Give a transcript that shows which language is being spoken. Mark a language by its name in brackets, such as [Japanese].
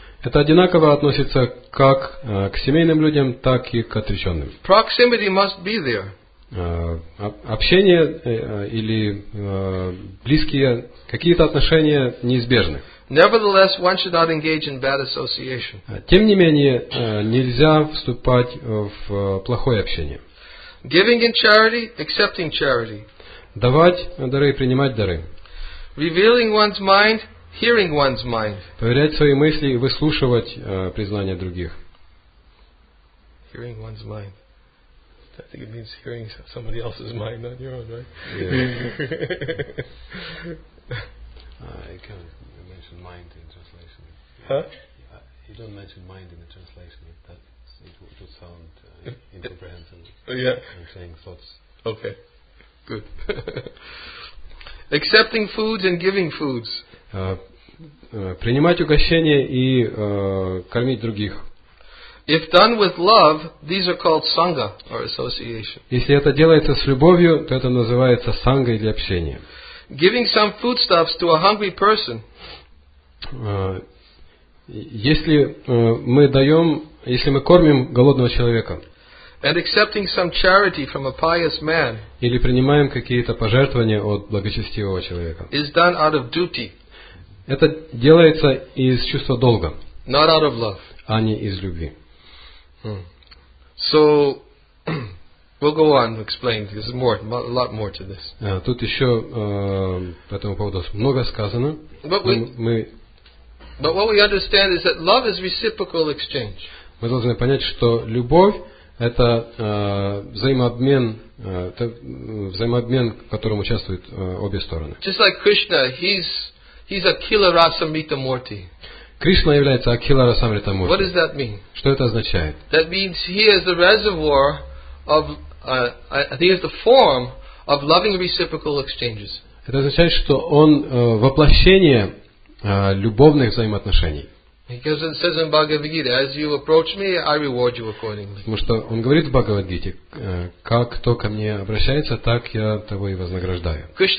[Russian] Это одинаково относится как к семейным людям, так и к отреченным. [English] Proximity must be there. [Russian] Общение или близкие, какие-то отношения неизбежны. [English] Nevertheless, one should not engage in bad association. [Russian] Тем не менее, нельзя вступать в плохое общение. [English] Giving in charity, accepting charity. [Russian] Давать дары и принимать дары. [English] Revealing one's mind, hearing one's mind. [Russian] Поверять свои мысли и выслушивать признания других. [English] Hearing one's mind. I think it means hearing somebody else's mind, not your own, right? Yeah. I can't. Mind in translation. Huh? You don't mention mind in the translation. It would sound incomprehensible. Yeah. I'm saying thoughts. Okay. Good. Accepting foods and giving foods. [Russian] Принимать угощения и кормить других. [English] If done with love, these are called sangha or association. [Russian] Если это делается с любовью, то это называется санга или общение. [English] Giving some foodstuffs to a hungry person. [Russian] Если мы даем, если мы кормим голодного человека, [English] and accepting some charity from a pious man, [Russian] или принимаем какие-то пожертвования от благочестивого человека, [English] is done out of duty. [Russian] Это делается из чувства долга, [English] not out of love. [Russian] А не из любви. [English] So, we'll go on explain. There's more, a lot more to this. [Russian] Тут еще по этому поводу много сказано. [English] But what we understand is that love is reciprocal exchange. [Russian] Мы должны понять, что любовь это взаимообмен, это взаимообмен, в котором участвуют обе стороны. [English] Just like Krishna, he's Akhila Rasamrita Murti. [Russian] Кришна является Акхила Расамрита Мурти. [English] What does that mean? [Russian] Что это означает? [English] That means he is the reservoir of he is the form of loving reciprocal exchanges. [Russian] Это означает, что он воплощение любовных взаимоотношений. Потому что он говорит в Бхагавадгите, как кто ко мне обращается, так я того и вознаграждаю.